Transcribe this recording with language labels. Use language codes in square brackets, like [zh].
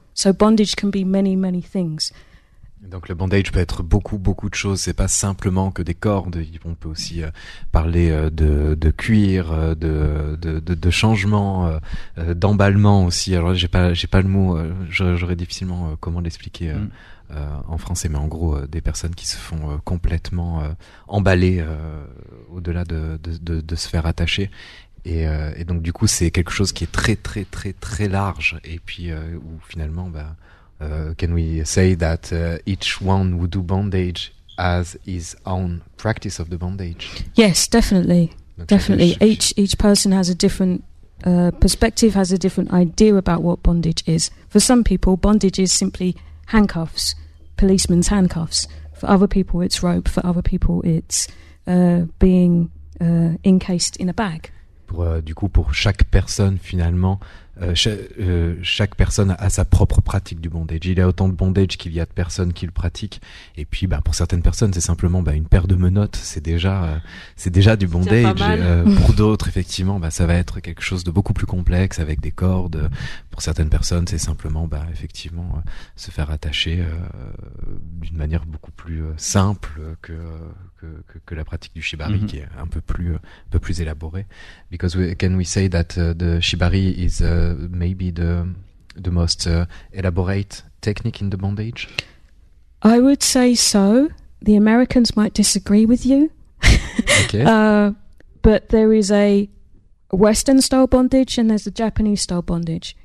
[en] So bondage can be many, many things. [fr] Donc le bondage peut être beaucoup, beaucoup de choses, c'est pas simplement que des cordes, on peut aussi parler de cuir, de changement, d'emballement aussi. Alors là, j'ai pas le mot, j'aurais difficilement comment l'expliquer en français, mais en gros, des personnes qui se font complètement emballer au-delà de se faire attacher. Et donc du coup, c'est quelque chose qui est très, très, très, très large, et puis où finalement... [en] can we say that each one would do bondage as his own practice of the bondage? Yes, definitely. Okay. Definitely. Each person has a different perspective, has a different idea about what bondage is. For some people, bondage is simply handcuffs, policemen's handcuffs. For other people, it's rope. For other people, it's being encased in a bag. [fr] Pour chaque personne, finalement... chaque personne a sa propre pratique du bondage. Il y a autant de bondage qu'il y a de personnes qui le pratiquent. Et puis, pour certaines personnes, c'est simplement une paire de menottes. C'est déjà du bondage. Pour d'autres, effectivement, ça va être quelque chose de beaucoup plus complexe avec des cordes. Pour certaines personnes, c'est simplement, effectivement, se faire attacher d'une manière beaucoup plus simple que la pratique du shibari, mm-hmm. qui est un peu plus élaborée. [en] Because can we say that the shibari is maybe the most elaborate technique in the bondage? I would say so. The Americans might disagree with you. Okay. But there is a Western style bondage and there's a Japanese style bondage.